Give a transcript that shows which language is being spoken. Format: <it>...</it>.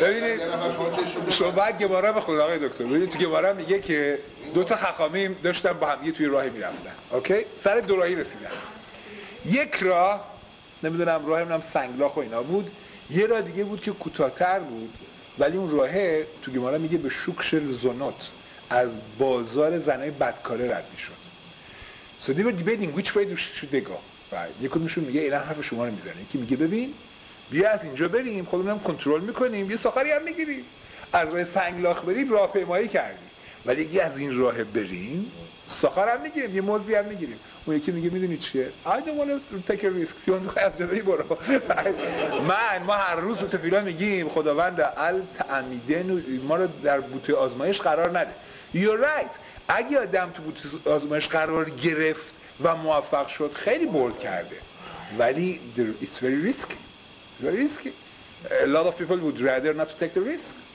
<fa>ببینید شما بعد گبارا به خود آقای دکتر ببینید تو گبارا میگه که دوتا خخامیم داشتن با هم یه توی راهی میرفتن، اوکی؟ سر دو راهی رسیدن، یک راه نمیدونم راه منم سنگلاخ و اینا بود، یه راه دیگه بود که کوتاه‌تر بود، ولی اون راه تو گبارا میگه به شوکشل زونات از بازار زنای بدکاره رد میشد.</fa> <en>So they were debating which way should they go. Right.</en> <fa>یک کدومشون میگه اینا حرف شما رو میزنه، یکی میگه ببین بیا از اینجا بریم خودمونم کنترل میکنیم، یه ساخری هم میگیریم، از راه سنگلاخ بریم راه پیمایی کردی، ولی یکی از این راه بریم ساخر هم میگیریم یه موزی هم میگیریم. اون یکی میگه میدونی چیه؟</fa> <en>I don't want to take a risk.</en> <fa>سیون دخواه از جبری برو. ما هر روز تو تفیلا میگیم خداوند ال تعمیدن ما رو در بوته آزمایش قرار نده.</fa> <en>You're right.</en> <fa>اگه آدم تو بوته آزمایش قرار گرفت و موفق شد خیلی بولد کرده. ولی</fa> <en>it's very risky. Very risky. A lot of people would rather not to take the risk.</en>